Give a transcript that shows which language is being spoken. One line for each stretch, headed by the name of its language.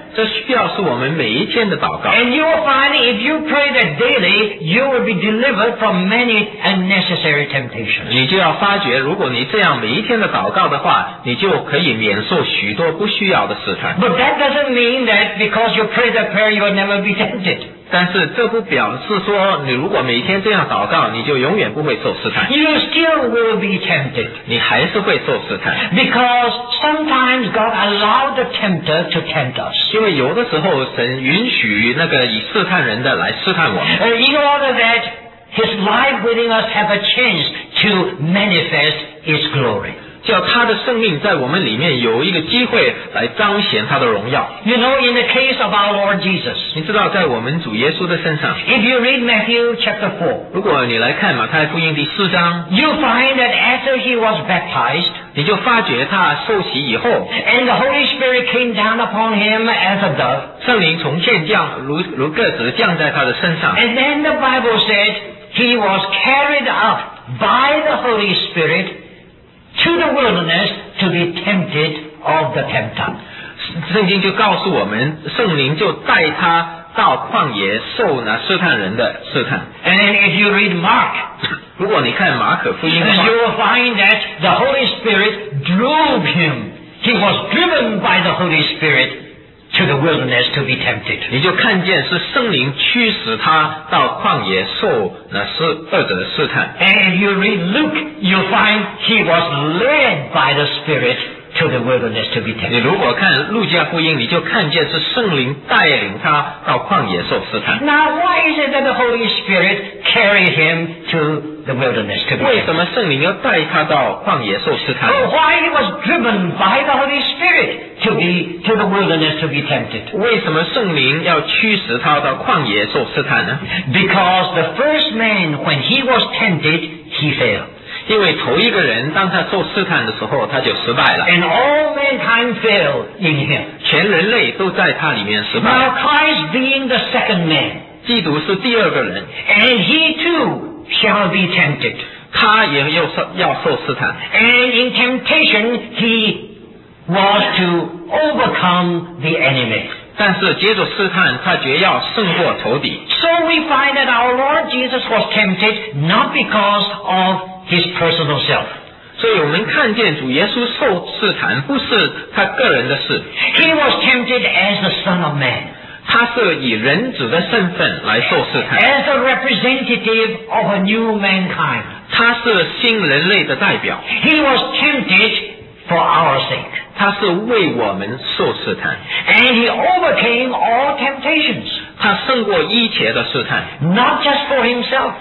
Chinese: 这需要是我们每一天的祷告。
English: And you will find if you pray that daily, you will be delivered from many unnecessary temptations.
Chinese: 你就要发觉，如果你这样每一天的祷告的话，你就可以免受许多不需要的试探。
English: But that doesn't mean that because you pray that prayer, you will never be tempted.
Chinese: 但是这不表示说你如果每天这样祷告，你就永远不会受试探。
English: You still will be tempted.
Chinese: 你还是会受试探。
English: Because sometimes God allows the tempter to tempt us.
Chinese: 因为有的时候神允许那个以试探人的来试探我们。
English: In order that His life within us have a chance to manifest His glory.
Chinese: 叫他的生命在我们里面有一个机会来彰显他的荣耀。
English: You know, in the case of our Lord Jesus,
Chinese: 你知道在我们主耶稣的身上。
English: If you read Matthew chapter 4,
Chinese: 如果你来看马太福音第四章。
English: You find that after he was baptized,
Chinese: 你就发觉他受洗以后。
English: And the Holy Spirit came down upon him as a dove.
Chinese: 圣灵从天降如鸽子降在他的身上。
English: And then the Bible said he was carried up by the Holy Spirit. To the wilderness to be tempted of the tempter.
Chinese: 圣经就告诉我们，圣灵就带他到旷野受那试探人的试探。
English: And if you read Mark,
Chinese: 如果你看马可福音的话，
English: you will find that the Holy Spirit drove him. He was driven by the Holy Spirit. To the wilderness to be tempted.
Chinese: 你就看见是圣灵驱使他到旷野受那试恶者的试探。
English: And if you read Luke, you find he was led by the Spirit to the wilderness to be tempted.
Chinese: 你如果看路加福音，你就看见是圣灵带领他到旷野受试探。
English: Now why is it that the Holy Spirit carried him to the wilderness to be tempted?
Chinese: 为什么圣灵要带他到旷野受试探？
English: Oh, why he was driven by the Holy Spirit. To the wilderness to be tempted.
Chinese: 为什么圣灵要驱使他到旷野受试探呢？
English: Because the first man, when he was tempted, he failed.
Chinese: 因为头一个人当他受试探的时候，他就失败了。
English: And all mankind failed in him.
Chinese: 全人类都在他里面失败了。
English: Now Christ being the second man,
Chinese: 基督是第二个人。
English: And he too shall be tempted.
Chinese: 他也要受试探。
English: And in temptation, he was to overcome the enemy.
Chinese: 但是接着试探，他决要胜过仇敌。
English: So we find that our Lord Jesus was tempted not because of his personal self.
Chinese: 所以我们看见主耶稣受试探不是他个人的事。
English: He was tempted as the Son of Man.
Chinese: 他是以人子的身份来受试探。
English: As a representative of a new mankind.
Chinese: 他是新人类的代表。
English: He was tempted for our sake.
Chinese: 他是为我们受试探。
English: And he overcame all temptations.
Chinese: 他胜过一切的试探。
English: Not just for himself.